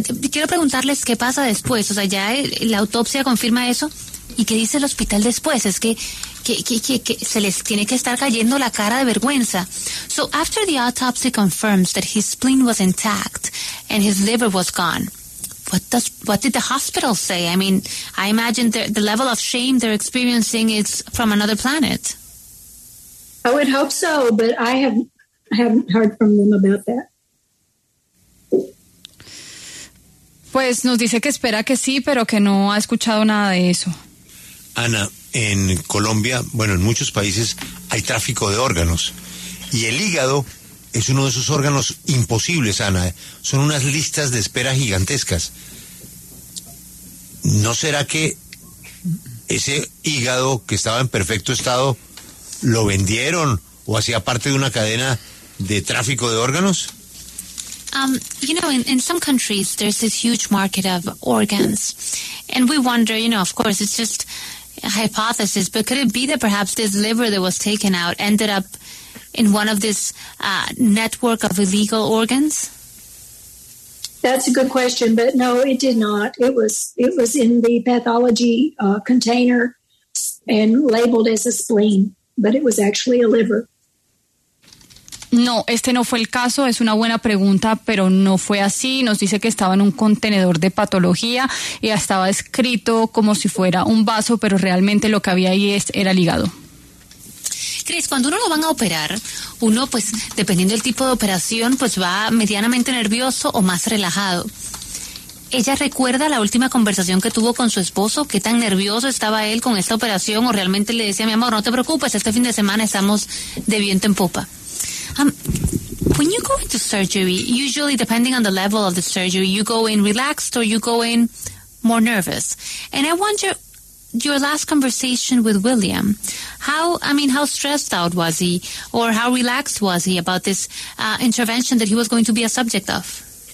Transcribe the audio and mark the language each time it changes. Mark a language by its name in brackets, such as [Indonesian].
[Spanish] Quiero preguntarles qué pasa después, o sea, ya la autopsia confirma eso, y qué dice el hospital después, es que se les tiene que estar cayendo la cara de vergüenza. [English] So after the autopsy confirms that his spleen was intact and his liver was gone, what did the hospital say? I mean, I imagine the level of shame they're experiencing is from another planet. I would hope so, but I haven't heard from them about that. [Spanish] Pues nos dice que espera que sí, pero que no ha escuchado nada de eso. Ana, en Colombia, bueno, en muchos países hay tráfico de órganos. Y el hígado es uno de esos órganos imposibles, Ana. Son unas listas de espera gigantescas. ¿No será que ese hígado que estaba en perfecto estado lo vendieron o hacía parte de una cadena de tráfico de órganos? [English] You know, in some countries, there's this huge market of organs. And we wonder, you know, of course, it's just a hypothesis, but could it be that perhaps this liver that was taken out ended up in one of this network of illegal organs? That's a good question, but no, it did not. It was in the pathology container and labeled as a spleen, but it was actually a liver. [Spanish] No, este no fue el caso, es una buena pregunta, pero no fue así. Nos dice que estaba en un contenedor de patología y estaba escrito como si fuera un vaso, pero realmente lo que había ahí era el hígado. Cris, cuando uno lo van a operar, uno, pues, dependiendo del tipo de operación, pues va medianamente nervioso o más relajado. ¿Ella recuerda la última conversación que tuvo con su esposo? ¿Qué tan nervioso estaba él con esta operación? ¿O realmente le decía, mi amor, no te preocupes, este fin de semana estamos de viento en popa? [English] When you go into surgery, usually depending on the level of the surgery, you go in relaxed or you go in more nervous. And I wonder, your last conversation with William, how stressed out was he or how relaxed was he about this intervention that he was going to be a subject of?